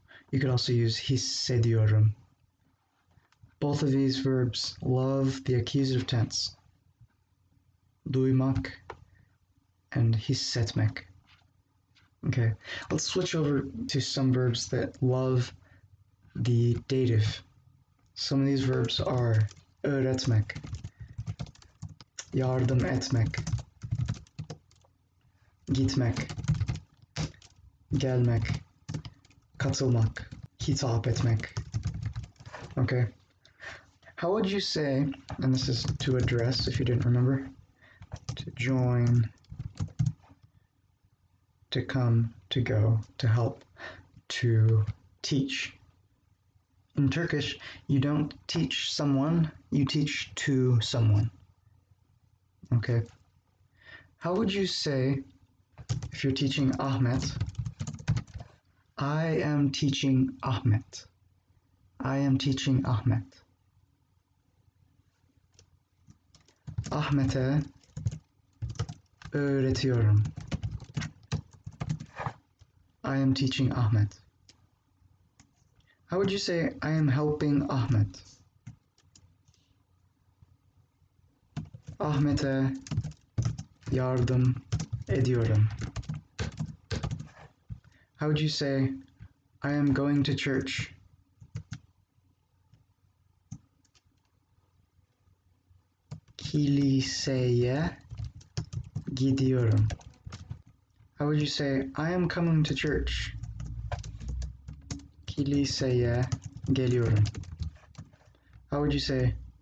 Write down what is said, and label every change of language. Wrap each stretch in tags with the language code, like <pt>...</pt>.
<en>You could also use hissediyorum. Both of these verbs love the accusative tense. Duymak and hissetmek. Okay, let's switch over to some verbs that love the dative. Some of these verbs are öğretmek, yardım etmek, gitmek, gelmek, katılmak, hitap etmek. Okay. How would you say, and this is to address if you didn't remember, to join, to come, to go, to help, to teach. In Turkish, you don't teach someone, you teach to someone. Okay. How would you say, if you're teaching Ahmet, I am teaching Ahmet. I am teaching Ahmet.</en> <tr>Ahmet'e öğretiyorum.</tr> <en>I am teaching Ahmet. How would you say I am helping Ahmet?</en> <tr>Ahmet'e yardım ediyorum.</tr> <en>How would you say I am going to church?</en> <tr>Kiliseye gidiyorum.</tr> <en>How would you say I am coming to church?</en> <tr>Kiliseye geliyorum.</tr> <en>How would you say</en>